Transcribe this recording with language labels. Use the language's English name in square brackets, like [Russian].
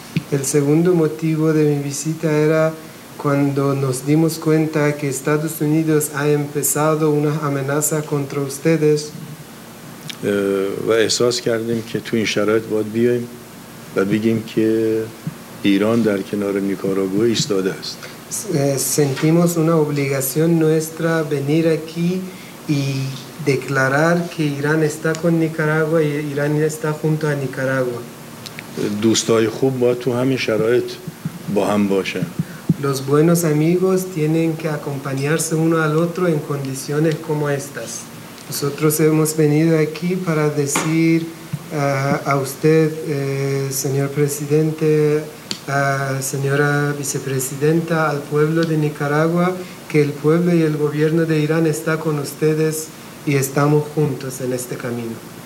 [Spanish] El segundo motivo de mi visita era cuando nos dimos cuenta que Estados Unidos ha empezado una amenaza contra ustedes. [Persian] و احساس کردیم که تو این شرایط باید بیایم و بگیم که ایران در کنار نیکاراگوئه ایستاده است. [Spanish] Sentimos una obligación nuestra venir aquí y declarar que Irán está con Nicaragua y Irán está junto a Nicaragua. [Persian] دوستای خوب با تو همین شرایط با هم باشن. [Spanish] Los buenos amigos tienen que acompañarse uno al otro en condiciones como estas. Nosotros hemos venido aquí para decir a usted, señor presidente, señora vicepresidenta, al pueblo de Nicaragua, que el pueblo y el gobierno de Irán está con ustedes y estamos juntos en este camino.